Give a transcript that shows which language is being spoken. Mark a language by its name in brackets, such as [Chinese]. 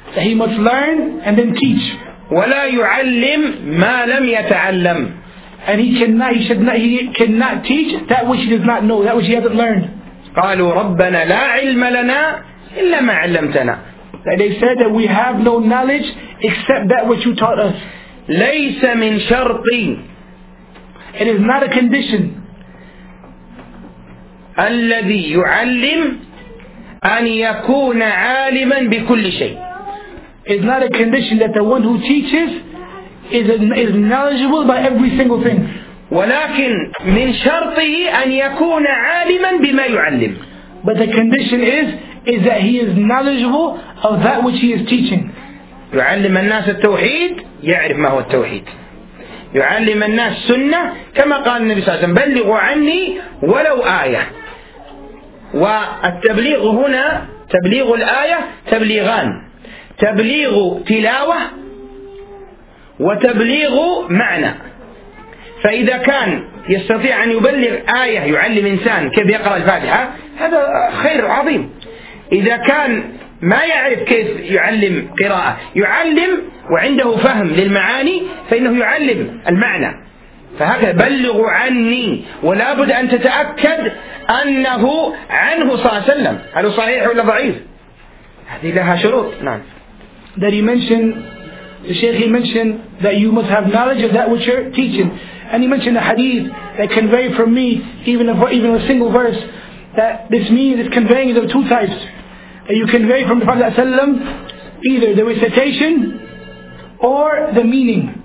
[English] He must learn and then teach. [Arabic] ولا يعلم ما لم يتعلم. [English] And he cannot teach that which he does not know, that which he hasn't learned. [Arabic] قالوا ربنا لا علم لنا إلا ما علمتنا. [English] That they said that we have no knowledge except that which you taught us. [Arabic] ليس من شرطي. [English] It is not a condition. [Arabic] الذي يعلم أن يكون عالما بكل شيء. [English] It's not a condition that the one who teaches is knowledgeable by every single thing. [Arabic] ولكن من شرطه أن يكون عالما بما يعلم. [English] But the condition is that he is knowledgeable of that which he is teaching. [Arabic] يعلم الناس التوحيد يعرف ما هو التوحيد. يعلم الناس سنة كما قال النبي صلى الله عليه وسلم بلغوا عني ولو آية. والتبليغ هنا تبليغ الآية تبليغان، تبليغ تلاوة وتبليغ معنى. فإذا كان يستطيع أن يبلغ آية يعلم إنسان كيف يقرأ الفاتحة هذا خير عظيم. إذا كان ما يعرف كيف يعلم قراءة يعلم وعنده فهم للمعاني فإنه يعلم المعنى. فهكذا بلغ عني، ولا بد أن تتأكد أنه عنه صلى الله عليه وسلم، هل صحيح ولا ضعيف؟ هذه لها شروط. نعم. [English] That the Sheikh mentioned that you must have knowledge of that which you're teaching, and he mentioned a hadith that conveyed from me even a single verse that this means it's conveying is of two types. That you convey from the Prophet sallam either the recitation or the meaning.